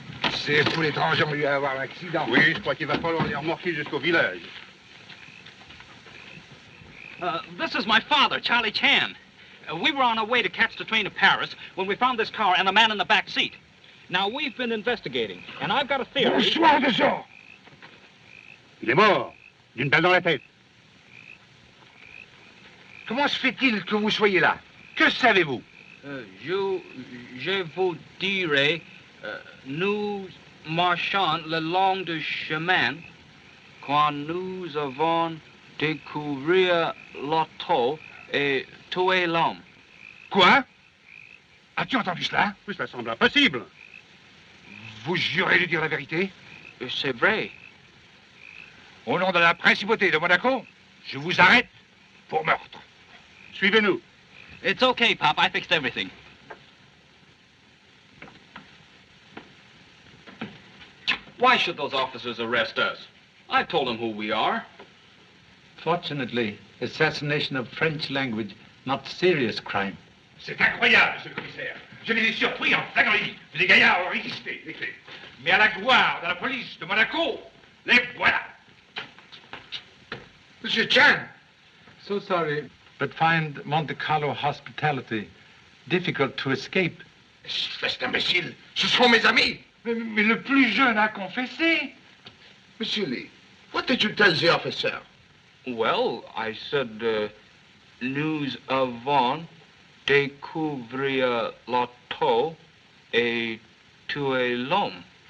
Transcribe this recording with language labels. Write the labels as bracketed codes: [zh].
[fr] C'est fou l'étranger, on lui a avoir un accident. Oui, je crois qu'il va falloir les remorquer jusqu'au village. [en] This is my father, Charlie Chan. We were on our way to catch the train to Paris when we found this car and a man in the back seat. Now, we've been investigating, and I've got a theory... [fr] Bonsoir, monsieur! Il est mort, d'une balle dans la tête. Comment se fait-il que vous soyez là? Que savez-vous? Je vous dirai... nous marchons le long du chemin quand nous avons découvert l'auto et tué l'homme. Quoi? As-tu entendu cela? Oui, ça semble impossible. Vous jurez de dire la vérité? C'est vrai. Au nom de la principauté de Monaco, je vous arrête pour meurtre. Suivez-nous. [en] It's okay, Pop. I fixed everything. Why should those officers arrest us? I told them who we are. Fortunately, assassination of French language, not serious crime. [fr] C'est incroyable, monsieur le commissaire. Je les ai surpris en flagrant délit. Mais les gaillards ont résisté. Mais à la gloire de la police de Monaco, les voilà. Monsieur Chan. [en] So sorry, but find Monte Carlo hospitality difficult to escape. [fr] Espèce d'imbécile, ce sont mes amis. Mais le plus jeune a confessé. [en] Monsieur Lee, what did you tell the officer? Well, I said, [fr] news avant, découvrir la tour et tuer l'homme.